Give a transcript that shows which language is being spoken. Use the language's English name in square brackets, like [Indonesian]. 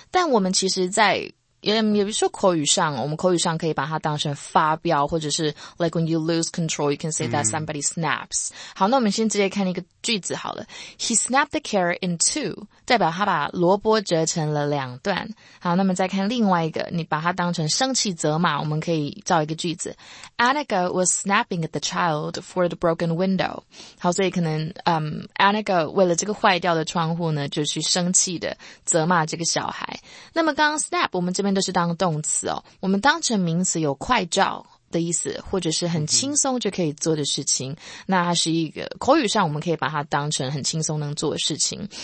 [Chinese] 但我们其实在也比如说口语上，我们口语上可以把它当成发飙，或者是 [English] like when you lose control, you can say that somebody snaps. [Chinese] 好，那我们先直接看一个句子好了。 [English] He snapped the carrot in two, [Chinese] 代表他把萝卜折成了两段。好，那么再看另外一个，你把它当成生气责骂，我们可以造一个句子。 [English] Annika was snapping at the child for the broken window. [Chinese] 好，所以可能Annika 为了这个坏掉的窗户呢，就去生气的责骂这个小孩。那么刚刚 snap, 这边都是当动词哦，我们当成名词有快照的意思，或者是很轻松就可以做的事情。那它是一个口语上，我们可以把它当成很轻松能做的事情。